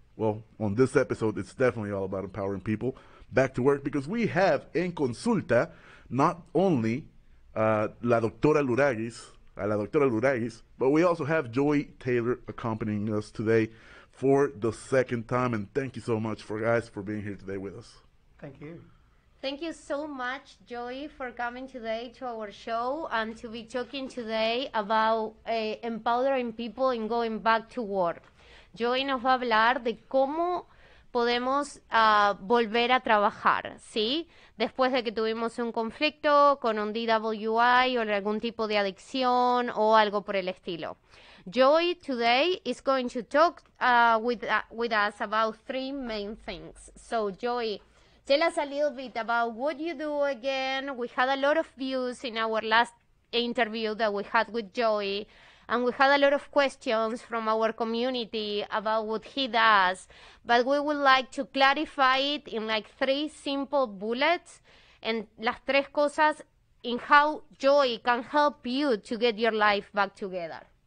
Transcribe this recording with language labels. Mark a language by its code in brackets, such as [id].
[en] Well, on this episode, it's definitely all about empowering people back to work, because we have En Consulta not only La Doctora Luraguis, but we also have Joy Taylor accompanying us today for the second time. And thank you so much, for guys, for being here today with us. Thank you. Thank you so much, Joy, for coming today to our show and to be talking today about empowering people and going back to work. [es] Joy nos va a hablar de cómo podemos volver a trabajar, ¿sí? Después de que tuvimos un conflicto con un DWI o algún tipo de adicción o algo por el estilo. [en] Joy today is going to talk with us about three main things. So, Joy, tell us a little bit about what you do again. We had a lot of views in our last interview that we had with Joy. And we had a lot of questions from our community about what he does, but we would like to clarify it in like three simple bullets and [es] las tres cosas [en] in how Joy can help you to get your life back together.